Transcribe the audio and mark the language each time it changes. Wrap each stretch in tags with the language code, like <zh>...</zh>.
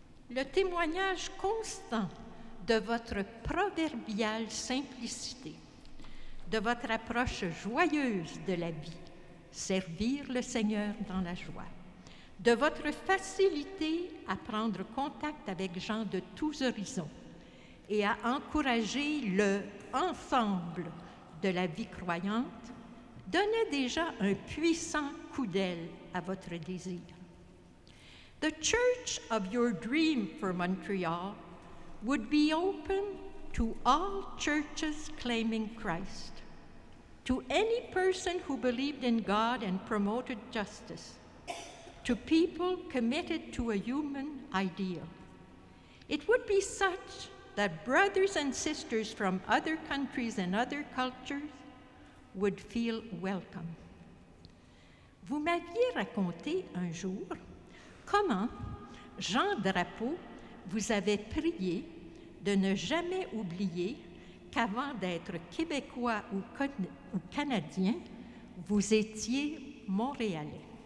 <fr>Le témoignage constant de votre proverbiale simplicité, de votre approche joyeuse de la vie, servir le Seigneur dans la joie, de votre facilité à prendre contact avec gens de tous horizons et à encourager le ensemble de la vie croyante, donnait déjà un puissant coup d'aile à votre désir.</fr> <en>The church of your dream for Montreal would be open to all churches claiming Christ, to any person who believed in God and promoted justice, to people committed to a human ideal. It would be such that brothers and sisters from other countries and other cultures would feel welcome.</en> <fr>Vous m'aviez raconté un jour comment Jean Drapeau vous avait prié de ne jamais oublier qu'avant d'être Québécois ou Canadien, vous étiez Montréalais.</fr>